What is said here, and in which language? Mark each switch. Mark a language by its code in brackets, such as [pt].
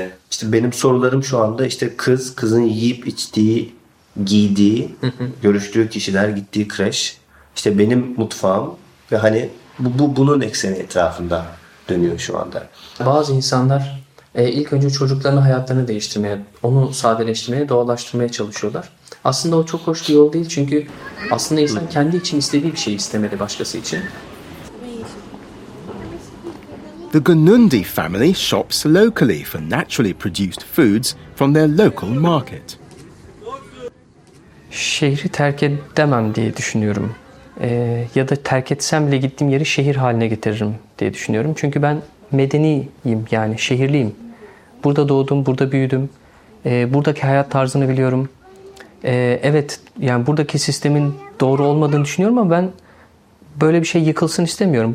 [tr] İşte benim sorularım şu anda işte kızın yiyip içtiği, giydiği, görüştüğü kişiler, gittiği kreş, işte benim mutfağım ve hani bunun ekseni etrafında dönüyor şu anda. Bazı insanlar ilk önce çocuklarının hayatlarını değiştirmeye, onu sadeleştirmeye, doğallaştırmaya çalışıyorlar. Aslında o çok hoş bir yol değil çünkü aslında insan kendi için istediği bir şey istemeli başkası için. [en] The Gönündi family shops locally for naturally produced foods from their local market. [tr] Şehri terk edemem diye düşünüyorum. Ya da terk etsem bile gittiğim yeri şehir haline getiririm diye düşünüyorum. Çünkü ben medeniyim, yani şehirliyim. Burada doğdum, burada büyüdüm. Buradaki hayat tarzını biliyorum. Evet, yani buradaki sistemin doğru olmadığını düşünüyorum ama ben böyle bir şey yıkılsın istemiyorum.